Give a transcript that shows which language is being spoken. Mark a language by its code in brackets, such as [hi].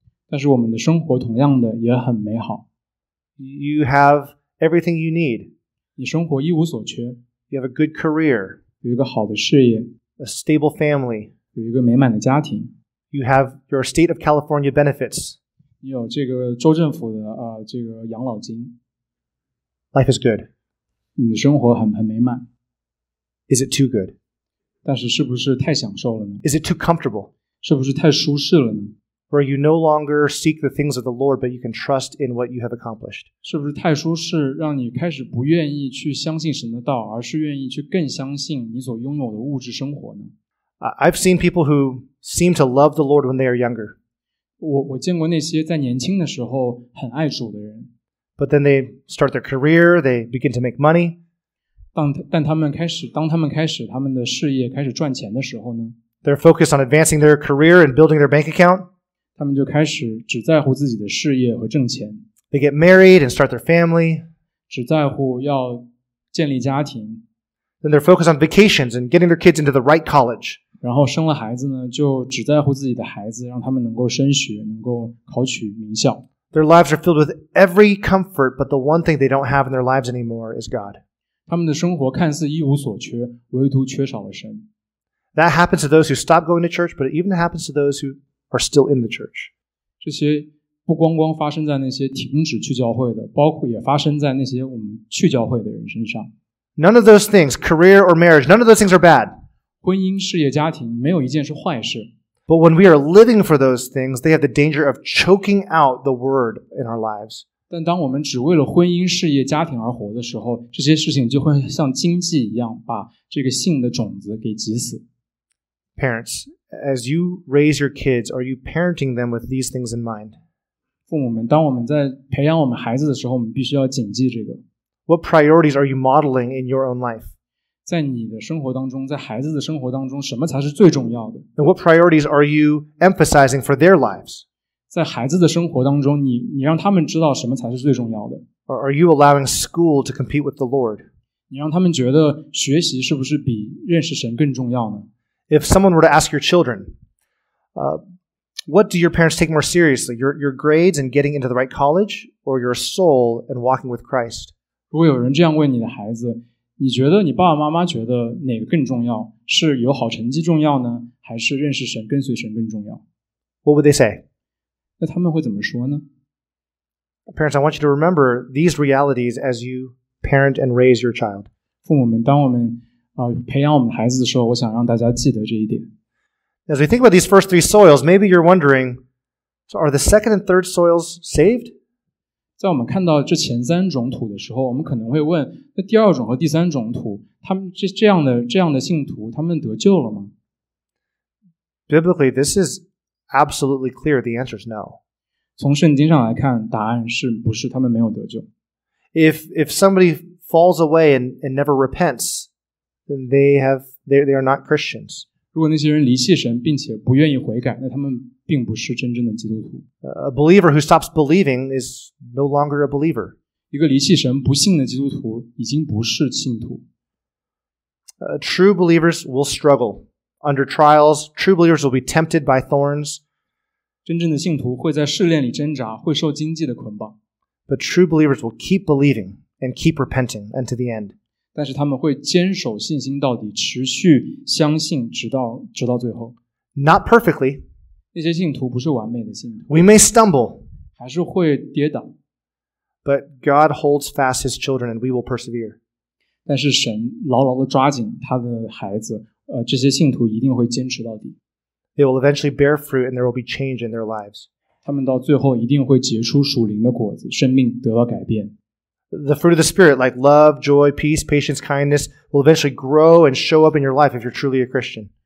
[zh] 但是我们的生活同样的也很美好。 [en] You have everything you need. [zh] 你生活一无所缺。 [en] You have a good career. [zh] 有一个好的事业。 [en] A stable family. [zh] 有一个美满的家庭。 [en] You have your state of California benefits. [zh] 你有这个州政府的这个养老金。 [en] Life is good. [zh] 你的生活很美满。 [en] Is it too good? [zh] 但是是不是太享受了呢？ [en] Is it too comfortable? [zh] 是不是太舒适了呢？ [en] Where you no longer seek the things of the Lord, but you can trust in what you have accomplished. [zh] 是不是太舒适，让你开始不愿意去相信神的道，而是愿意去更相信你所拥有的物质生活呢？ [en] I've seen people who seem to love the Lord when they are younger. [zh] 我见过那些在年轻的时候很爱主的人。 [en] But then they start their career, they begin to make money. [zh] 当他们开始他们的事业开始赚钱的时候呢？ [en] They're focused on advancing their career and building their bank account. [zh] 他们就开始只在乎自己的事业和挣钱。 [en] They get married and start their family. [zh] 只在乎要建立家庭。 [en] Then they're focused on vacations and getting their kids into the right college. [zh] 然后生了孩子呢，就只在乎自己的孩子，让他们能够升学，能够考取名校。 [en] Their lives are filled with every comfort, but the one thing they don't have in their lives anymore is God. [zh] 他们的生活看似一无所缺，唯独缺少了神。 [en] That happens to those who stop going to church, but it even happens to those who... are still in the church. [zh] 这些不光光发生在那些停止去教会的，包括也发生在那些我们去教会的人身上。 [en] None of those things, career or marriage, none of those things are bad. [zh] 婚姻、事业、家庭，没有一件是坏事。 [en] But when we are living for those things, they have the danger of choking out the word in our lives. [zh] 但当我们只为了婚姻、事业、家庭而活的时候，这些事情就会像荆棘一样，把这个信的种子给挤死。 [en] Parents,As you raise your kids, are you parenting them with these things in mind? [zh] 父母们，当我们在培养我们孩子的时候，我们必须要谨记这个。 [en] What priorities are you modeling in your own life? [zh] 在你的生活当中，在孩子的生活当中，什么才是最重要的？ [en] And what priorities are you emphasizing for their lives? [zh] 在孩子的生活当中，你让他们知道什么才是最重要的？ [en] Or are you allowing school to compete with the Lord? [zh] 你让他们觉得学习是不是比认识神更重要呢？ [en] If someone were to ask your children, what do your parents take more seriously, your grades and getting into the right college, or your soul and walking with Christ? [zh] 如果有人这样问你的孩子，你觉得你爸爸妈妈觉得哪个更重要？是有好成绩重要呢，还是认识神、跟随神更重要？ [en] What would they say? [zh] 那他们会怎么说呢？ [en] Parents, I want you to remember these realities as you parent and raise your child. [zh] 父母们，当我们培养我们孩子的时候，我想让大家记得这一点。 [en] As we think about these first three soils, maybe you're wondering, so are the second and third soils saved? [zh] 在我们看到这前三种土的时候，我们可能会问，那第二种和第三种土，他们这样的信徒，他们得救了吗？ [en] Biblically, this is absolutely clear. The answer is no. [zh] 从圣经上来看，答案是不是他们没有得救。 [en] If somebody falls away and never repents, then they are not Christians. [zh] 如果那些人离弃神并且不愿意悔改，那他们并不是真正的基督徒。 [en] A believer who stops believing is no longer a believer. [zh] 一个离弃神不信的基督徒已经不是信徒。 [en] True believers will struggle under trials. True believers will be tempted by thorns. [zh] 真正的信徒会在试炼里挣扎，会受荆棘的捆绑。 [en] But true believers will keep believing and keep repenting unto the end. [zh] 但是他们会坚守信心到底，持续相信直到最后。 [en] Not perfectly. [zh] 那些信徒不是完美的信徒。 [en] We may stumble. [zh] 还是会跌倒。 [en] But God holds fast His children, and we will persevere. [zh] 但是神牢牢地抓紧他的孩子，这些信徒一定会坚持到底。 [en] They will eventually bear fruit, and there will be change in their lives. [zh] 他们到最后一定会结出属灵的果子，生命得到改变。 [en] The fruit of the Spirit, like love, joy, peace, patience, kindness, will eventually grow and show up in your life if you're truly a Christian.